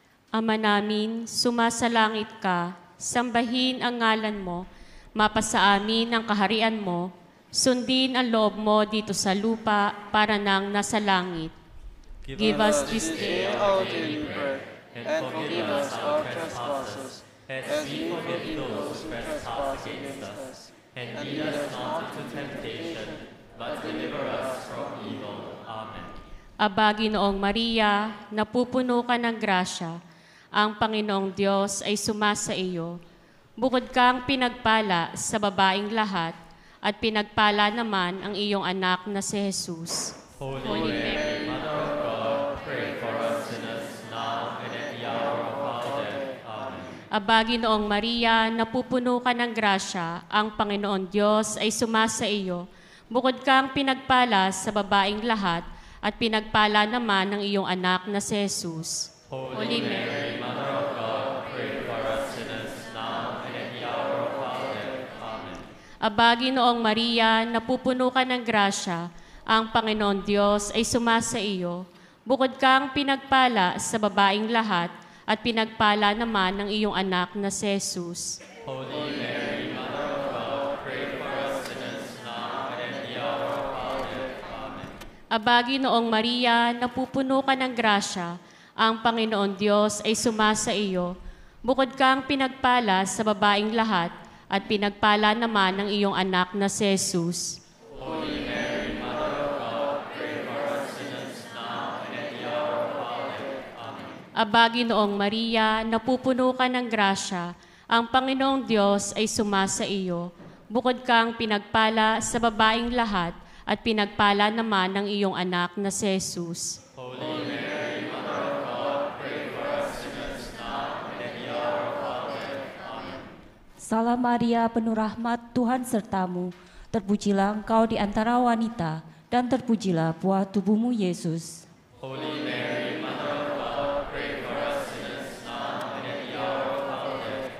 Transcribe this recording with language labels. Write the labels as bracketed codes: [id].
[tl] Ama namin, sumasalangit ka, sambahin ang ngalan mo, mapasa amin ang kaharian mo, sundin ang loob mo dito sa lupa para nang nasa langit. [en] Give us this day our daily bread, and forgive us our trespasses, as we forgive those who trespass against us. And lead us not into temptation, but deliver us from evil. [tl] Aba, Ginoong Maria, napupuno ka ng grasya. Ang Panginoong Diyos ay sumasa iyo. Bukod kang pinagpala sa babaeng lahat, at pinagpala naman ang iyong anak na si Jesus. [en] Holy Mary, Mother of God, pray for us sinners now and at the hour of our death. Amen. [tl] Aba, Ginoong Maria, napupuno ka ng grasya. Ang Panginoong Diyos ay sumasa iyo. Bukod kang pinagpala sa babaeng lahat, at pinagpala naman ng iyong anak na si Jesus. [en] Holy Mary, Mother of God, pray for us sinners now and at the hour of our death. Amen. [tl] Aba, Ginoong Maria, napupuno ka ng grasya. Ang Panginoon Diyos ay sumasa iyo. Bukod kang pinagpala sa babaeng lahat, at pinagpala naman ng iyong anak na si Jesus. [en] Holy Mary, [tl] Aba, Ginoong Maria, napupuno ka ng grasya. Ang Panginoon Diyos ay sumasa iyo. Bukod kang pinagpala sa babaeng lahat, at pinagpala naman ang iyong anak na si Jesus. [en] Holy Mary, Mother of God, pray for us sinners now and at the hour of our death. Amen. [tl] Aba, Ginoong Maria, napupuno ka ng grasya. Ang Panginoong Diyos ay sumasa iyo. Bukod kang pinagpala sa babaeng lahat, at pinagpala naman ng iyong anak na si Jesus. [en] Holy Mary, Mother of God, pray for us sinners now and at the hour of our death. Amen. [id] Salam Maria, penuh rahmat, Tuhan sertamu. Terpujilah engkau di antara wanita, dan terpujilah buah tubuhmu, Yesus. [en] Holy Mary, Mother of God, pray for us sinners now and at the hour of our death.